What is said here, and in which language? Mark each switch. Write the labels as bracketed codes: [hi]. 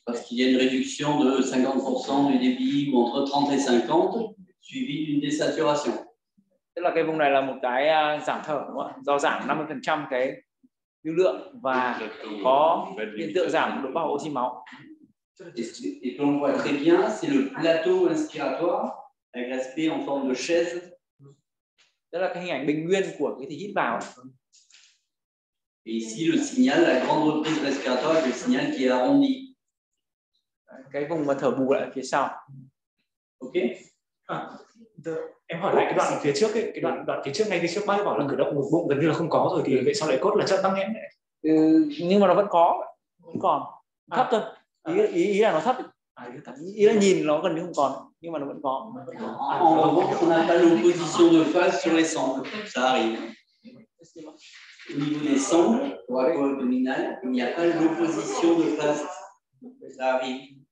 [fr] Parce qu'il y a une réduction de 50% du débit ou entre 30 et 50 suivi d'une désaturation. [vi] Tức là cái vùng này là một cái giảm thở, đúng không? Do giảm 50% cái lưu lượng và có hiện tượng giảm độ bao oxy máu. [fr] Et on voit très bien, c'est le plateau inspiratoire avec l'aspect en forme de chaise. [vi] Tức là cái hình ảnh bình nguyên của cái thì hít vào. [fr] Et ici le signal, la grande reprise respiratoire avec le signal qui est arrondi. [vi] Cái vùng mà thở bù lại phía sau. Ok. Em hỏi lại cái đoạn phía trước ấy, cái đoạn phía trước ngay phía trước bác ấy bảo là cử động ngực bụng gần như là không có rồi thì vậy sao lại cốt là chất tăng nghẽn này? Nhưng mà nó vẫn còn thấp thôi. Ý là nó thấp. Ý là nhìn nó gần như không còn nhưng mà nó vẫn có. [fr] On a pas l'opposition de phase sur les sangles, ça arrive. Au niveau des sangles, au niveau abdominal, il n'y a pas l'opposition de phase, ça arrive.